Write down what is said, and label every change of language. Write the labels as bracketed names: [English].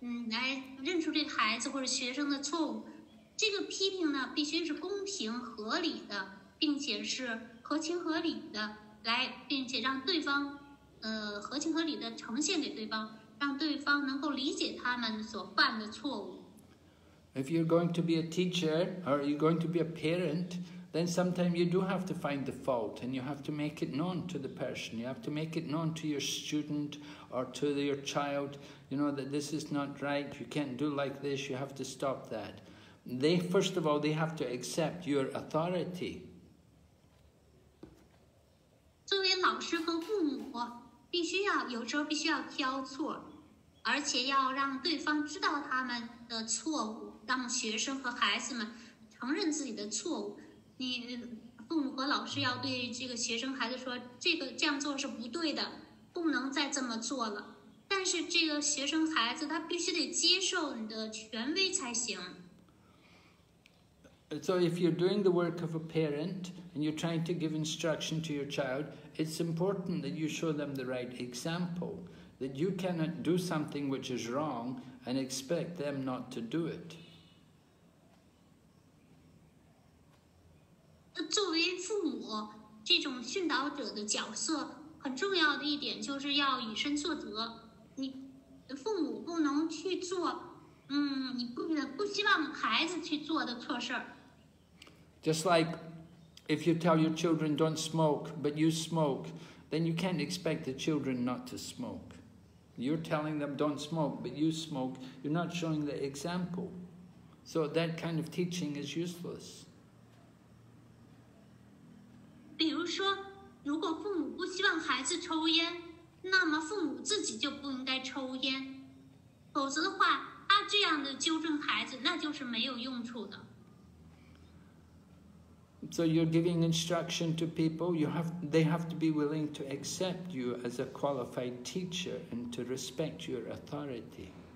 [Chinese] 来认出这个孩子或者学生的错误，这个批评呢必须是公平合理的，并且是合情合理的来，并且让对方合情合理的呈现给对方，让对方能够理解他们所犯的错误。 [English] If you're going to be a teacher or you're going to be a parent, then sometimes you do have to find the fault and you have to make it known to the person. You have to make it known to your student or to your child, you know, that this is not right, you can't do like this, you have to stop that. They, first of all, they have to accept your authority. [Chinese] 作为老师和父母，必须要有时候必须要挑错，而且要让对方知道他们的错误，让学生和孩子们承认自己的错误。你父母和老师要对这个学生孩子说，这个这样做是不对的，不能再这么做了。但是这个学生孩子他必须得接受你的权威才行。 [English] So if you're doing the work of a parent and you're trying to give instruction to your child, it's important that you show them the right example, that you cannot do something which is wrong and expect them not to do it. [Chinese] 作为父母，这种训导者的角色很重要的一点就是要以身作则。你父母不能去做，你不希望孩子去做的错事。 [English] Just like if you tell your children don't smoke, but you smoke, then you can't expect the children not to smoke. You're telling them don't smoke, but you smoke. You're not showing the example. So that kind of teaching is useless. [Chinese] 比如说，如果父母不希望孩子抽烟，那么父母自己就不应该抽烟。否则的话，他这样的纠正孩子，那就是没有用处的。 [English] So you're giving instruction to people, they have to be willing to accept you as a qualified teacher and to respect your authority.